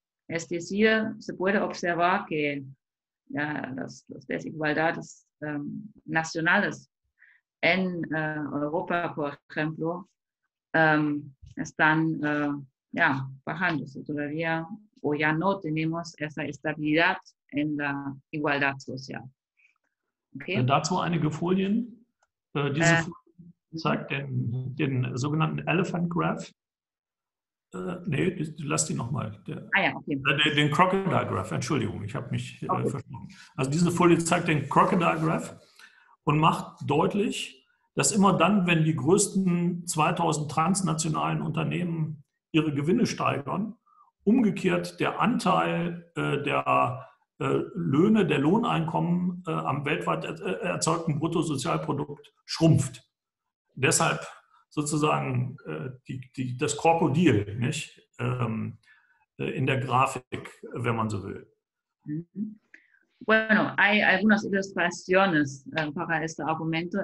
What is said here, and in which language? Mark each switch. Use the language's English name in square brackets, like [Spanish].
[Spanish] Es decir, se puede observar que las desigualdades nacionales en Europa, por ejemplo, están bajándose todavía, o ya no tenemos esa estabilidad en la igualdad social. [German] Okay. Dazu einige Folien. Diese zeigt den sogenannten Elephant Graph. Lass die nochmal. Den Crocodile Graph, Entschuldigung, ich habe mich versprochen. Also diese Folie zeigt den Crocodile Graph und macht deutlich, dass immer dann, wenn die größten 2000 transnationalen Unternehmen ihre Gewinne steigern, umgekehrt der Anteil der Lohneinkommen am weltweit erzeugten Bruttosozialprodukt schrumpft. Deshalb sozusagen das Krokodil, nicht? In der Grafik, wenn man so will. [Spanish] Bueno, hay algunas ilustraciones para este argumento.